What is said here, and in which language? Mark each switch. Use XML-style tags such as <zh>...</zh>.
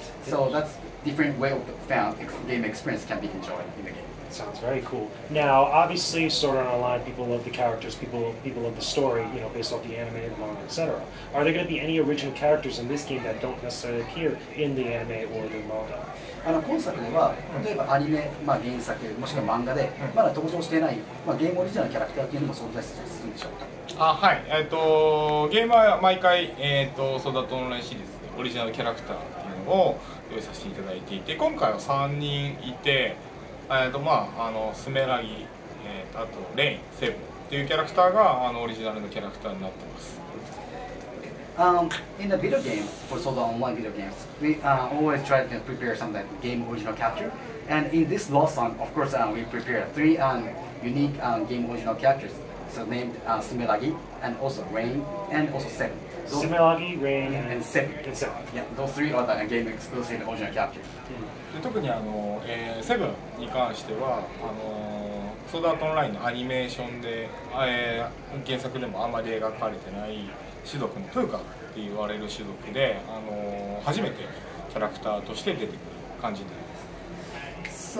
<en>So that's different way of found game experience can be enjoyed in the game. Sounds very cool. Now, obviously, Sword Art Online, people love the characters, people love the story, you know, based off the anime, the manga, etc. Are there going to be any original characters in this game that don't necessarily appear in the anime or the manga?</en> <ja>今作では、例えばアニメ、まあ、原作、もしくは漫画で、まだ登場していない、まあ、ゲームオリジナルのキャラクターというのも存在するんでしょうか？あ、はい。ゲームは毎回、ソードアートオンラインシリーズでオリジナルキャラクターというのを用意させていただいていて、今回は3人いて、まあ、あのスメラギ、あとレイン、セブンというキャラクターがあのオリジナルのキャラクターになっています。</ja> <en>In the video game, for Sword Art Online video games, we always try to prepare some like, game original character. And in this Lost Song, of course, we prepare three unique game original characters. So named Sumeragi, and also Rain, and also Seven. Similagi, Rain, and Seven. Yeah, those three are the game exclusive original characters.</en> <ja>で特にあの、Seven に関しては、ソードアートオンラインのアニメーションで、原作でもあんまり描かれてない種族のトゥーカって言われる種族で、初めてキャラクターとして出てくる感じになります。</ja>